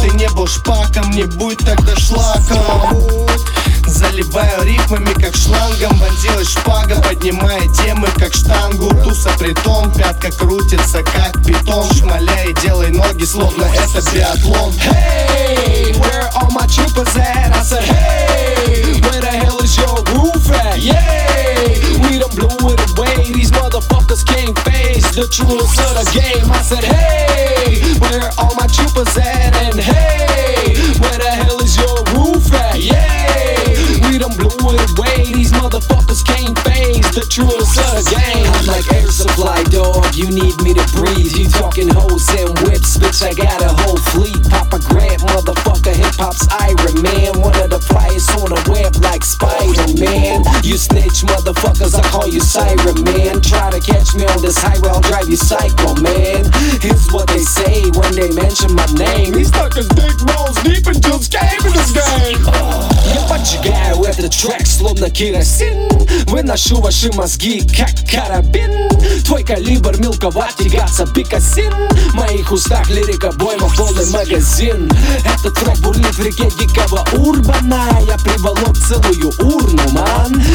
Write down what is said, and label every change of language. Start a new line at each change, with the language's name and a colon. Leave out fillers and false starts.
Russian: Ты не был шпаком, не будь тогда шлаком. Заливаю рифмами, как шлангом. Вонзилась шпага, поднимая темы, как штангу. Туса притом, пятка крутится, как питон. Шмаляй, делай ноги, словно это биатлон.
English: Hey, where all my troopers at? I said, hey, where the hell is your roof at? Yeah, we done blew it away. These motherfuckers can't face the truth of the game. I said, hey, where all my troopers at? And hey, where the hell is your roof at? Yeah, we done blew it away. These motherfuckers can't face the truth of the game. I'm like air supply, dog. You need me to breathe. You talking hoes and whips, bitch. I got a whole fleet. Pop a grab, motherfucker. Hip hop's Iron Man. One of the flyest on the web, like Spider-Man. You snitch, motherfuckers. I call you Siren Man. Try to catch me on this highway, I'll drive you psycho, man. Here's what they say when they mention my name. These fuckers dig balls deep into this game.
Russian: Поджигаю этот трек, словно керосин. Выношу ваши мозги, как карабин. Твой калибр мелковат, тягаться бекасин. В моих устах лирика, бойма, полный магазин. Этот трек бурлит в реке дикого урбана. Я приволок целую урну, ман.